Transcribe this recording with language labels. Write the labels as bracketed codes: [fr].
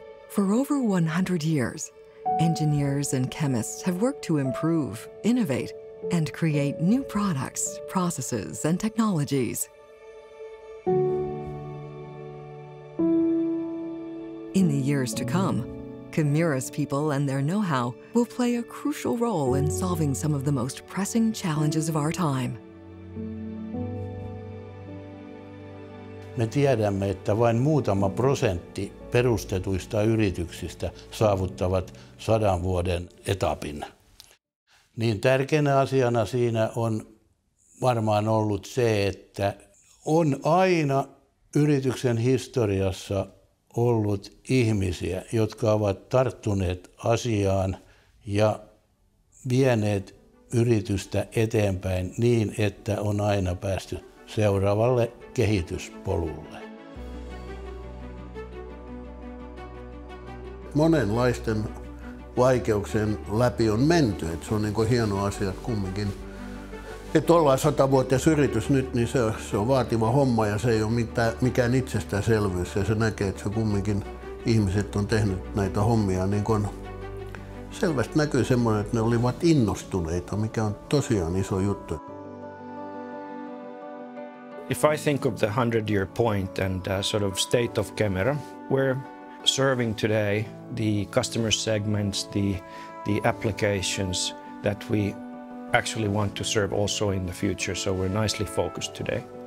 [en] For over 100 years, engineers and chemists have worked to improve, innovate, and create new products, processes, and technologies. In the years to come, Kemira's people and their know-how will play a crucial role in solving some of the most pressing challenges of our time. [fi] Me tiedämme, että vain muutama prosentti perustetuista yrityksistä saavuttavat 100 vuoden etapin. Niin tärkeänä asiana siinä on varmaan ollut se, että on aina yrityksen historiassa ollut ihmisiä, jotka ovat tarttuneet asiaan ja vieneet yritystä eteenpäin niin, että on aina päästy seuraavalle kehityspolulle. Monenlaisten vaikeuksien läpi on menty, että se on niin kuin hieno asia kumminkin. Että ollaan 100-vuotias yritys nyt, niin se on vaativa homma ja se ei ole mikään itsestäänselvyys. Ja se näkee, että se kumminkin ihmiset on tehnyt näitä hommia. Niin kuin selvästi näkyy semmoinen, että ne olivat innostuneita, mikä on tosiaan iso juttu. [en] If I think of the 100-year point and sort of state of Kemira, we're serving today the customer segments, the applications that we actually want to serve also in the future, so we're nicely focused today.